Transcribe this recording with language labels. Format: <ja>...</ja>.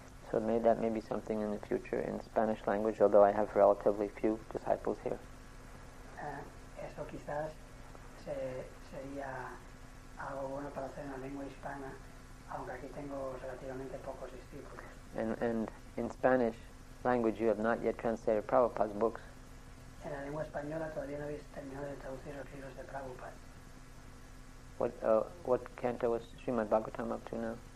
<en>So that may be something in the future in Spanish language, although I have relatively few disciples here.</en> <es>Esto quizás sería algo bueno para hacer en la lengua hispana, aunque aquí tengo relativamente pocos discípulos.</es> <en>And in Spanish language, you have not yet translated Prabhupada's books.</en> <es>En la lengua española todavía no habéis terminado de traducir los libros de Prabhupada.</es> <en>What canto is Srimad Bhagavatam up to now?</en>